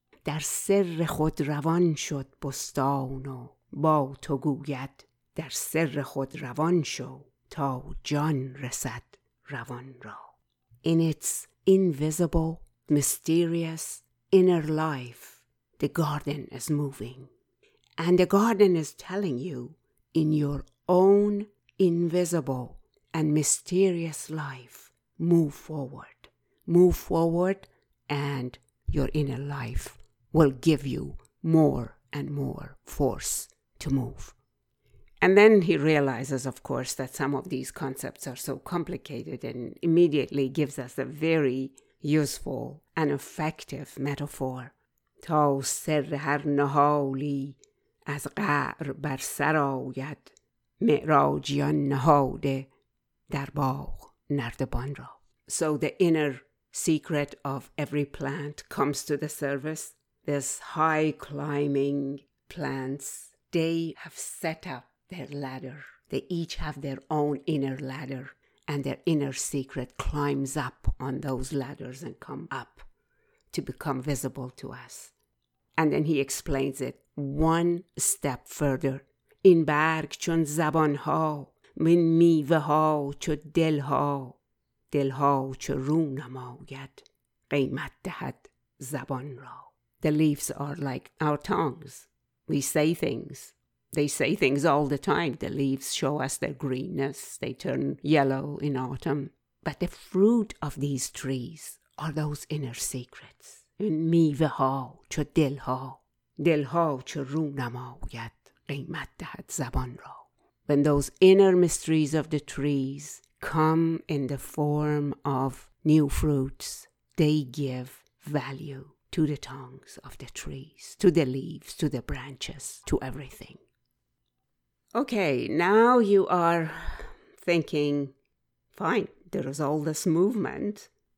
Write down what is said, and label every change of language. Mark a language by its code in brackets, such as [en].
[fa] در سر خود روان شد بستان و با تو گوید در سر خود روان شو تا جان رسد روان را. [en] In its invisible, mysterious inner life, the garden is moving. And the garden is telling you, in your own invisible and mysterious life, move forward. Move forward and your inner life will give you more and more force to move. And then he realizes, of course, that some of these concepts are so complicated and immediately gives us a very useful and effective metaphor. [fa] تا سر هر نهالی از قعر بر سر آید معراجیان نهاده در باغ نردبان را. [en] So the inner secret of every plant comes to the surface. This high-climbing plants, they have set up their ladder. They each have their own inner ladder, and their inner secret climbs up on those ladders and come up to become visible to us. And then he explains it one step further. [fa] این برگ چون زبان ها، من میوه ها چو دل ها، دل ها چو رو نماید، قیمت دهد زبان را. [en] The leaves are like our tongues. We say things. They say things all the time. The leaves show us their greenness. They turn yellow in autumn. But the fruit of these trees are those inner secrets. [fa] In میوه ها چو دل ها، دل ها چو رو نماید، قیمت دهد زبان را. [en] When those inner mysteries of the trees come in the form of new fruits, they give value to the tongues of the trees, to the leaves, to the branches, to everything. Okay, now you are thinking, fine, there is all this movement.